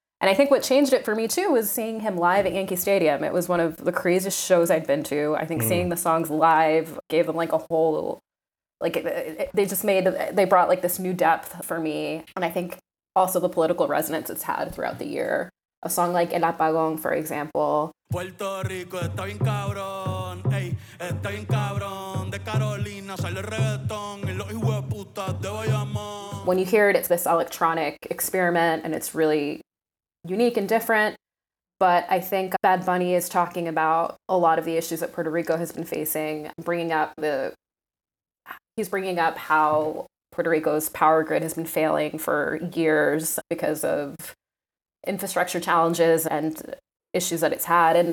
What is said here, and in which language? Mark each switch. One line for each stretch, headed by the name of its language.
English: And I think what changed it for me too was seeing him live at Yankee Stadium. It was one of the craziest shows I'd been to. I think seeing the songs live gave them like a whole, like they brought like this new depth for me. And I think also the political resonance it's had throughout the year. A song like El Apagón, for example.
Spanish: Puerto Rico está bien cabrón, ey, está bien cabrón. De Carolina sale reggaetón, y los hijos de puta de Bayamón.
English: When you hear it, it's this electronic experiment and it's really unique and different. But I think Bad Bunny is talking about a lot of the issues that Puerto Rico has been facing, bringing up how Puerto Rico's power grid has been failing for years because of infrastructure challenges and issues that it's had.